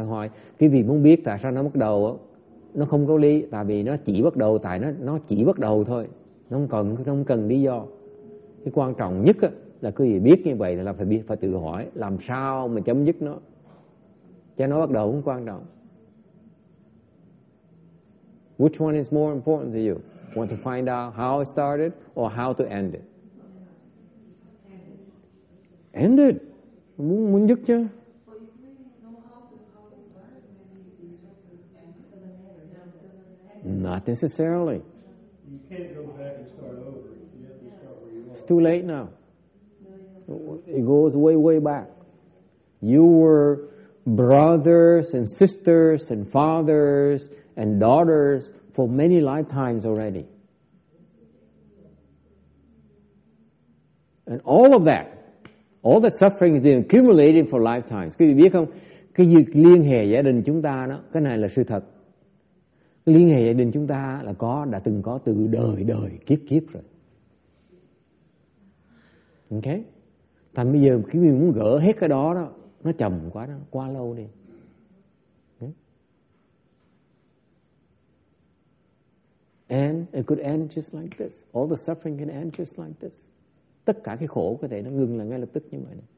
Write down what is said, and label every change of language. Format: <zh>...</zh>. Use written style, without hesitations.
<vi>Ta hỏi cái vị muốn biết tại sao nó bắt đầu, nó không có lý, tại vì nó chỉ bắt đầu, tại nó chỉ bắt đầu thôi, nó không cần lý do. Cái quan trọng nhất á, là cứ gì biết như vậy là phải tự hỏi làm sao mà chấm dứt nó, cho nó bắt đầu cũng quan trọng.</vi> <en>Which one is more important to you? want to find out how it started or how to end it? End it.</en> <vi>Muốn giúp chứ?</vi> <en>Not necessarily. You can't go back and start over. You have to start where you are. It's too late now. It goes way, way back. You were brothers and sisters and fathers and daughters for many lifetimes already. And all of that, all the suffering has been accumulated for lifetimes.</en> <vi>Quý vị biết không? Cái việc liên hệ gia đình chúng ta đó, cái này là sự thật. Liên hệ gia đình chúng ta là có, đã từng có từ đời đời kiếp kiếp rồi. Ok? Thành bây giờ quý vị muốn gỡ hết cái đó đó, nó chậm quá đó, quá lâu đi.</vi> <en>And it could end just like this. All the suffering can end just like this.</en> <vi>Tất cả cái khổ có thể nó ngừng là ngay lập tức như vậy.</vi>